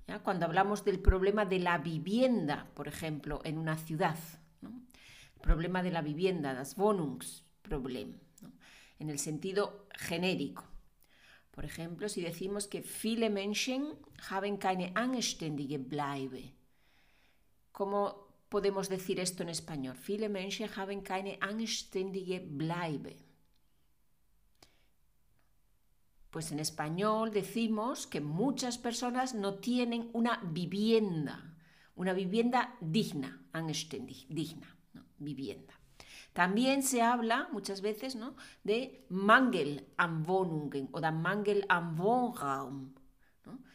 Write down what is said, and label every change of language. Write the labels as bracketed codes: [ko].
[es] Cuando hablamos del problema de la vivienda, por ejemplo, en una ciudad, ¿no?, el problema de la vivienda, [de] das Wohnungsproblem, [es] ¿no?, en el sentido genérico. Por ejemplo, si decimos que [de] viele Menschen haben keine anständige Bleibe, [es] ¿cómo podemos decir esto en español? [de] Viele Menschen haben keine anständige Bleibe. [es] Pues en español decimos que muchas personas no tienen una vivienda digna, anständig, digna, ¿no?, vivienda. También se habla muchas veces, ¿no?, de [de] Mangel an Wohnungen [es] o de [de] Mangel an Wohnraum, [es] ¿no?